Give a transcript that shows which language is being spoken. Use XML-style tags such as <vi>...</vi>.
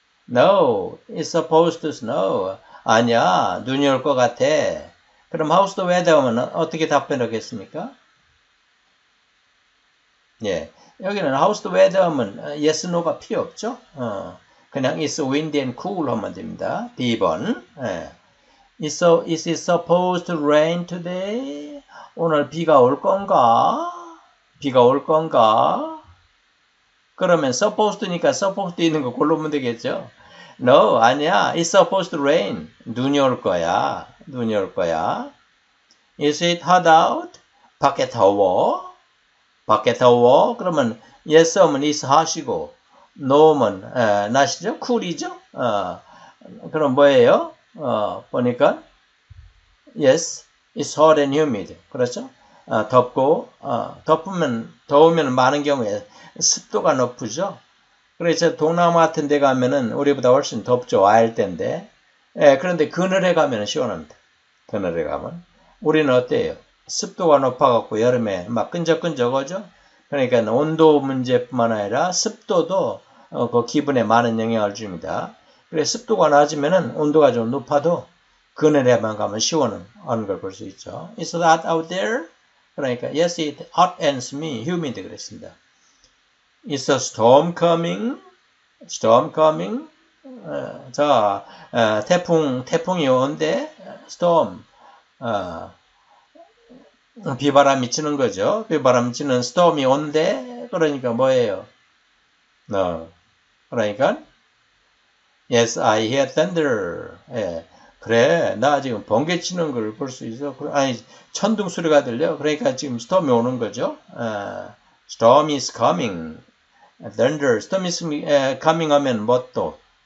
<en>No, it's supposed to snow.</en> <ko>아니야, 눈이 올것 같아. 그럼</ko> <en>how's the weather</en> <ko>하면 어떻게 답변하겠습니까? 예, 여기는 how's the weather 하면 yes, no가 필요 없죠. 그냥</ko> <en>it's windy and cool</en> <ko>하면 됩니다. B번.</ko> <en>Is it supposed to rain today?</en> <ko>오늘 비가 올 건가? 비가 올 건가? 그러면 supposed니까 supposed 있는 거 고르면 되겠죠?</ko> <en>No,</en> <ko>아니야.</ko> <en>It's supposed to rain.</en> <ko>눈이 올 거야. 눈이 올 거야.</ko> <en>Is it hot out?</en> <ko>밖에 더워? 밖에 더워? 그러면 yes 하면 is hot이고, no 하면 날씨죠? cool이죠? 그럼 뭐예요? 보니까</ko> <en>yes, it's hot and humid.</en> <ko>그렇죠? 덥고 더우면 많은 경우에 습도가 높죠. 그래서 동남아 같은 데 가면은 우리보다 훨씬 덥죠. 와일 때인데. 그런데 그늘에 가면은 시원합니다. 그늘에 가면 우리는 어때요? 습도가 높아갖고 여름에 막 끈적끈적하죠. 그러니까 온도 문제뿐만 아니라 습도도 그 기분에 많은 영향을 줍니다. 그래, 습도가 낮으면은 온도가 좀 높아도 그늘에만 가면 시원한 걸볼수 있죠.</ko> <en>Is that out there?</en> <ko>그러니까</ko> <en>yes, it's hot and humid</en> <ko>그랬습니다.</ko> <en>Is a storm coming? Storm coming?</en> <ko>자, 태풍이 온대? Storm. 비바람이 치는 거죠. 비바람이 치는 storm이 온대? 그러니까 뭐예요? 그러니까</ko> <en>Yes, I hear thunder.</en> <ko>예. 그래, 나 지금 번개 치는 걸볼수 있어. 아니, 천둥 소리가 들려. 그러니까 지금 스톰이 오는 거죠.</ko> <en>Storm is coming.</en> <ko>Thunder.</ko> <en>Storm is coming</en> <ko>하면 뭐 또?</ko>